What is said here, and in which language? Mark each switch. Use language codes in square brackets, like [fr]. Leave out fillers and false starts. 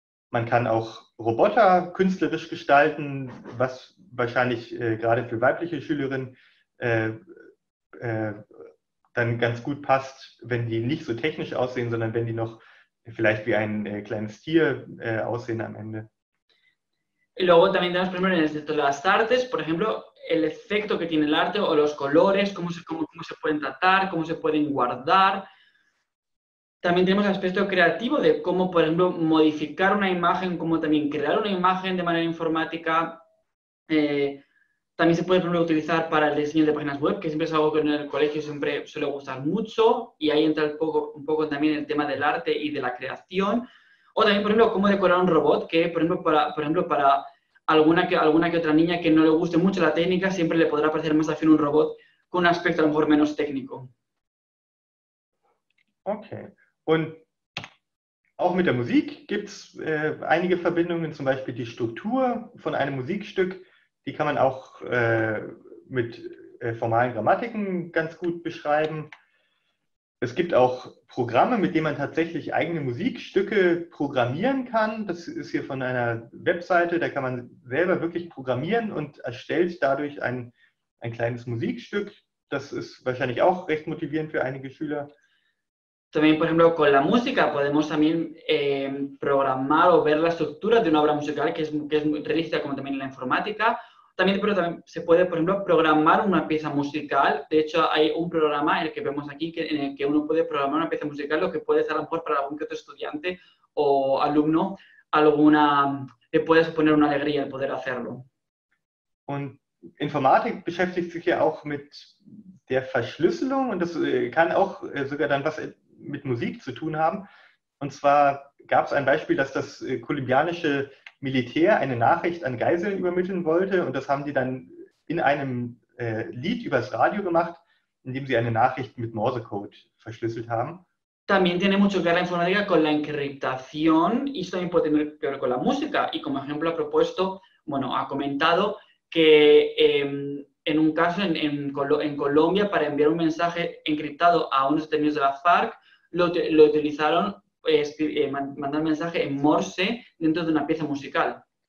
[de] Man kann auch Roboter künstlerisch gestalten, was wahrscheinlich gerade für weibliche Schülerinnen dann ganz gut passt, wenn die nicht so technisch aussehen, sondern wenn die noch vielleicht wie ein kleines Tier aussehen am Ende. [es] Luego también tenemos primero en el sector de las artes, por ejemplo, el efecto que tiene el arte o los colores, cómo se pueden tratar, cómo se pueden guardar. También tenemos el aspecto creativo de cómo, por ejemplo, modificar una imagen, cómo también crear una imagen de manera informática. También se puede, por ejemplo, utilizar para el diseño de páginas web, que siempre es algo que en el colegio siempre suele gustar mucho, y ahí entra un poco también el tema del arte y de la creación. O también, por ejemplo, cómo decorar un robot, que, por ejemplo, para alguna que otra niña que no le guste mucho la técnica, siempre le podrá parecer más afín un robot con un aspecto a lo mejor menos técnico. Ok. [de] Und auch mit der Musik gibt es einige Verbindungen, zum Beispiel die Struktur von einem Musikstück, die kann man auch mit formalen Grammatiken ganz gut beschreiben. Es gibt auch Programme, mit denen man tatsächlich eigene Musikstücke programmieren kann. Das ist hier von einer Webseite, da kann man selber wirklich programmieren und erstellt dadurch ein kleines Musikstück. Das ist wahrscheinlich auch recht motivierend für einige Schüler. [es] También, por ejemplo, con la música podemos también programar o ver la estructura de una obra musical que es realista, como también en la informática. También se puede, por ejemplo, programar una pieza musical. De hecho, hay un programa en el que vemos aquí en el que uno puede programar una pieza musical, lo que puede ser a lo mejor para algún que otro estudiante o alumno alguna, le puede suponer una alegría el poder hacerlo. [de] Und Informatik beschäftigt sich ja auch mit der Verschlüsselung und das kann auch sogar dann was mit Musik zu tun haben. Und zwar gab es ein Beispiel, dass das kolumbianische Militär eine Nachricht an Geiseln übermitteln wollte und das haben die dann in einem Lied übers Radio gemacht, indem sie eine Nachricht mit Morsecode verschlüsselt haben. [es] También tiene mucho que ver la informática con la encriptación y también puede tener que ver con la música. Y como ejemplo ha comentado que en un caso en Colombia, para enviar un mensaje encriptado a unos detenidos de la FARC, lo utilizaron mandar mensaje en Morse dentro de una pieza musical.